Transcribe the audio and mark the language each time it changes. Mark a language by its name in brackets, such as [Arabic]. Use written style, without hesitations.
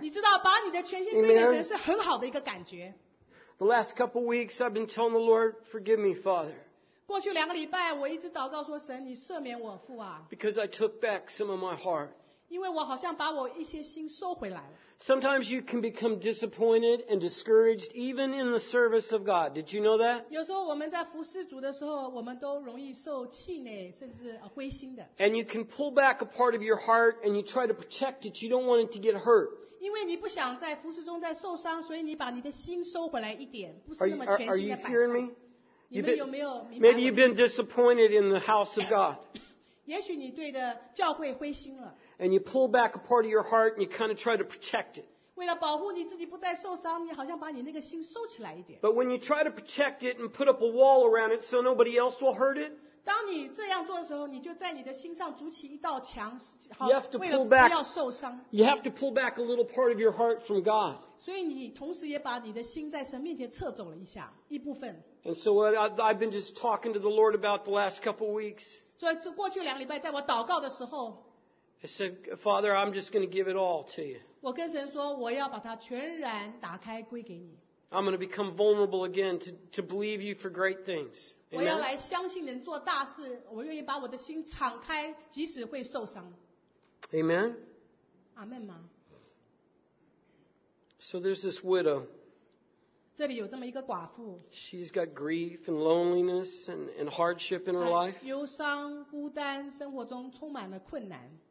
[Chinese] 你知道，把你的全心归给神是很好的一个感觉。 [English] The last couple weeks, I've been telling the Lord, "Forgive me, Father." [Chinese] 过去两个礼拜，我一直祷告说，神，你赦免我父啊。 [English] Because I took back some of my heart. [Chinese] 因为我好像把我一些心收回来了。 [English] Sometimes you can become disappointed and discouraged even in the service of God. Did you know that? [Chinese] 有时候我们在服侍主的时候，我们都容易受气馁，甚至灰心的。 [English] And you can pull back a part of your heart and you try to protect it. You don't want it to get hurt. [Chinese] 因为你不想在服侍中再受伤，所以你把你的心收回来一点，不是那么全心的摆上。 [English] Are you hearing me? [Chinese] 你们有没有明白我的意思？ [English] Maybe you've been disappointed in the house of God. [Chinese] 也许你对的教会灰心了。 [English] And you pull back a part of your heart, and you kind of try to protect it. [Chinese] 为了保护你自己不再受伤，你好像把你那个心收起来一点。 [English] But when you try to protect it and put up a wall around it so nobody else will hurt it, [Chinese] 当你这样做的时候，你就在你的心上筑起一道墙，好， [English] you have to pull back, [Chinese] 为了不要受伤。 [English] You have to pull back a little part of your heart from God. [Chinese] 所以你同时也把你的心在神面前撤走了一下，一部分。 [English] And so what I've been just talking to the Lord about the last couple weeks. [Chinese] 所以这过去两个礼拜，在我祷告的时候。 [English] I said, Father, I'm just going to give it all to you. [Chinese] 我跟神说，我要把它全然打开归给你。 [English] I'm going to become vulnerable again to believe you for great things. [Chinese] 我要来相信能做大事。我愿意把我的心敞开，即使会受伤。 [English] Amen. [Chinese] 阿门吗 [English] ？So there's this widow. [Chinese] 这里有这么一个寡妇。 [English] She's got grief and loneliness and hardship in her life. [Chinese] 忧伤、孤单，生活中充满了困难。